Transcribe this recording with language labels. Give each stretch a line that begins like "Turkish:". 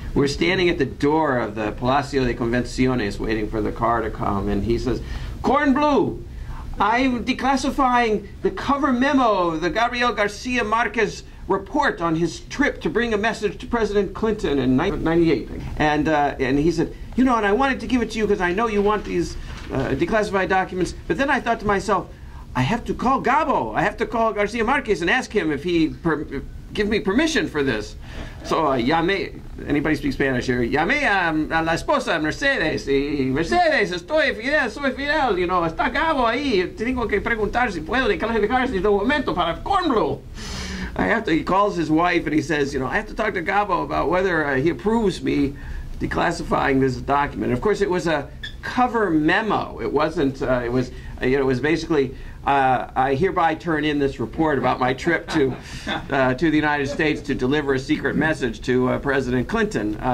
English: We're standing at the door of the Palacio de Convenciones waiting for the car to come, and he says, Kornbluh, I'm declassifying the cover memo of the Gabriel Garcia Marquez report on his trip to bring a message to President Clinton in 1998. And he said, you know, and I wanted to give it to you because I know you want these declassified documents. But then I thought to myself, I have to call Gabo. I have to call Garcia Marquez and ask him if he give me permission for this.
Spanish: So llamé.
English: Anybody speak Spanish here?
Spanish: Llamé a la esposa Mercedes. Y Mercedes, estoy fiel, soy fiel. You know, está Gabo ahí. Tengo que preguntar si puedo declassificar este documento para Kornbluh.
English: He calls his wife and he says, you know, I have to talk to Gabo about whether he approves me declassifying this document. Of course, it was a cover memo. It wasn't, it was basically, I hereby turn in this report about my trip to the United States to deliver a secret message to President Clinton.